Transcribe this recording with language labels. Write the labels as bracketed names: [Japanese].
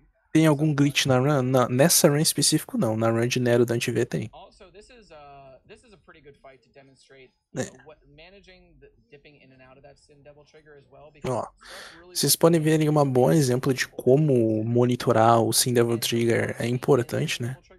[Portuguese] Tem algum glitch na run? Nessa run específico, não. Na run de Nero da TV tem. [English] this is a pretty good fight to demonstrate what managing the dipping in and out of that sim double trigger as well, because oh. [Portuguese] Vocês podem ver aí um bom exemplo de como monitorar o Sim Devil Trigger é importante, né?